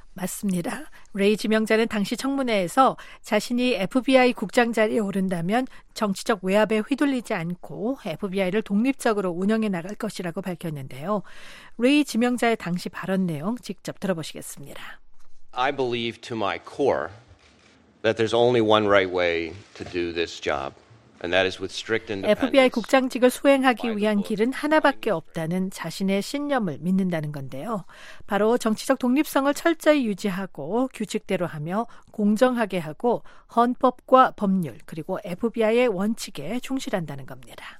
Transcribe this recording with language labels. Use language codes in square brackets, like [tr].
[ko] 맞습니다. 레이 지명자는 당시 청문회에서 자신이 FBI 국장 자리에 오른다면 정치적 외압에 휘둘리지 않고 FBI를 독립적으로 운영해 나갈 것이라고 밝혔는데요. 레이 지명자의 당시 발언 내용 직접 들어보시겠습니다. [en] I believe to my core that there's only one right way to do this job. And that is with strict independence. [ko] FBI 국장직을 수행하기 위한 길은 하나밖에 없다는 자신의 신념을 믿는다는 건데요. 바로 정치적 독립성을 철저히 유지하고 규칙대로 하며 공정하게 하고 헌법과 법률 그리고 FBI의 원칙에 충실한다는 겁니다.